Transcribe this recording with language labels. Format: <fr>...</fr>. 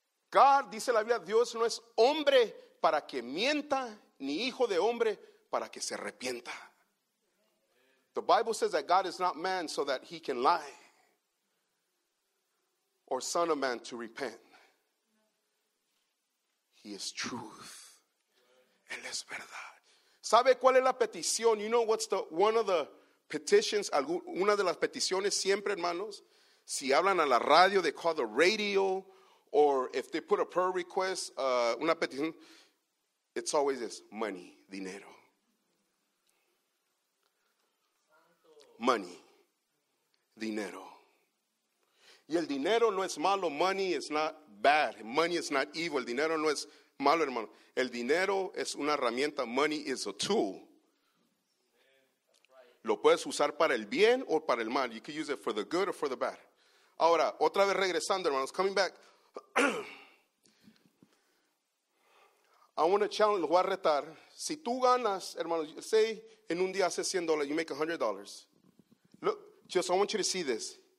<es>God, dice la Biblia, Dios no es hombre para que mienta, ni hijo de hombre, para que se arrepienta.</es> <en>The Bible says that God is not man so that he can lie, or son of man to repent. He is truth.</en> <es>Él es verdad. ¿Sabe cuál es la petición?</es> <en>You know what's one of the petitions,</en> <es>una de las peticiones siempre, hermanos, si hablan a la radio,</es> <en>they call the radio, or if they put a prayer request,</en> <es>una petición,</es> <en>it's always this, money, dinero.</en> <es>Money, dinero. Y el dinero no es malo,</es> <en>money is not bad, money is not evil,</en> <es>el dinero no es malo, hermano. El dinero es una herramienta,</es> <en>money is a tool.</en> <es>Lo puedes usar para el bien o para el mal.</es> <en>You can use it for the good or for the bad.</en> <es>Ahora, otra vez regresando, hermanos,</es> <en>coming back. I want to challenge,</en> <es>lo voy a retar. Si tú ganas, hermanos, say en un día haces $100,</es> <en>you make $100. Look, just I want you to see this.</en>